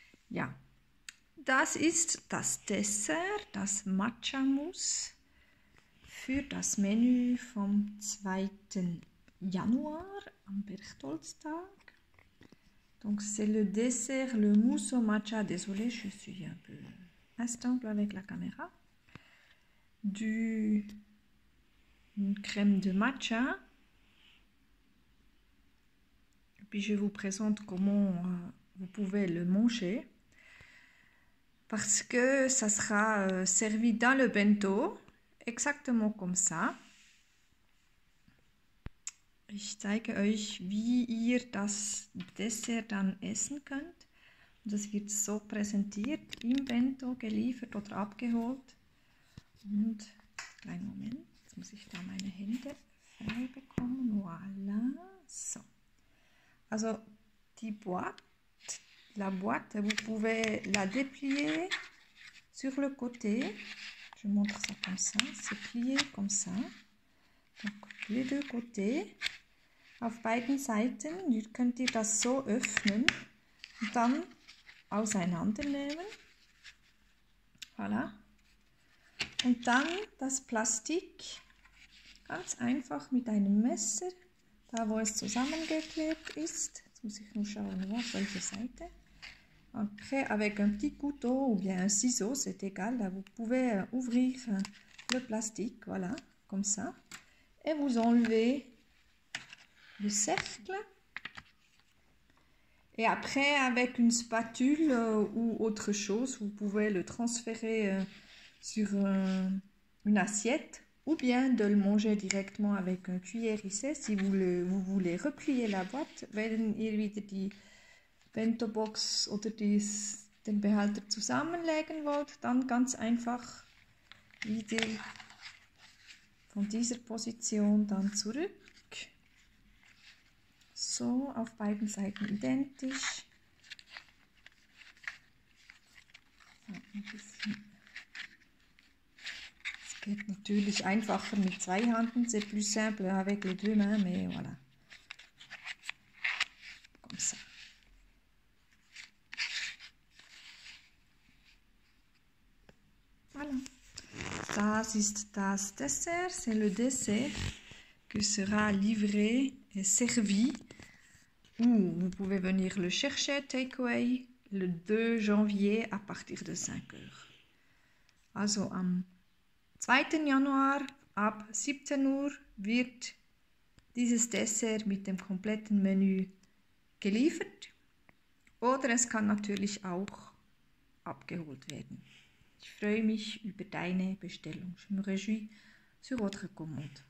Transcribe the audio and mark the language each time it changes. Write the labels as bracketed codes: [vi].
[de] Ja, das ist das Dessert, das Matcha-Mousse für das Menü vom 2. Januar am Berchtoldstag. [fr] Donc, c'est le dessert, le mousse au matcha. Désolée, je suis un peu instable avec la caméra. Une crème de matcha. Puis je vous présente comment vous pouvez le manger. Parce que ça sera servi dans le bento, exactement comme ça. [de] Ich zeige euch, wie ihr das Dessert dann essen könnt. Das wird so präsentiert, im Bento geliefert oder abgeholt. Und, kleinen Moment, jetzt muss ich da meine Hände frei bekommen. [fr] Voilà, so. Also, la boîte, vous pouvez la déplier sur le côté. Je montre ça comme ça, c'est plié comme ça. Donc, les deux côtés. [de] Auf beiden Seiten, ihr könnt ihr das so öffnen und dann auseinandernehmen. Voilà. Und dann das Plastik ganz einfach mit einem Messer, da wo es zusammengeklebt ist. Jetzt muss ich nur schauen, auf welche Seite. [fr] Après, avec un petit couteau ou bien un ciseau, c'est égal. Là, vous pouvez ouvrir le plastique, voilà, comme ça. Et vous enlevez le cercle. Et après, avec une spatule ou autre chose, vous pouvez le transférer sur une assiette ou bien de le manger directement avec un cuillère ici. Si vous voulez replier la boîte, [de] wenn ihr wieder die Bento-Box oder den Behälter zusammenlegen wollt, dann ganz einfach wieder von dieser Position dann zurück. So, auf beiden Seiten identisch. So, ein bisschen. Es geht natürlich einfacher mit zwei Händen. [fr] C'est plus simple avec les deux mains, mais voilà. Comme ça. Voilà. [de] Das ist das Dessert. [fr] C'est le dessert que sera livré et servi. Vous pouvez venir le chercher, takeaway, le 2 janvier à partir de 5 h. [de] Also, am 2. Januar ab 17 Uhr wird dieses Dessert mit dem kompletten Menü geliefert. Oder es kann natürlich auch abgeholt werden. Ich freue mich über deine Bestellung. [fr] Je me réjouis sur votre commande.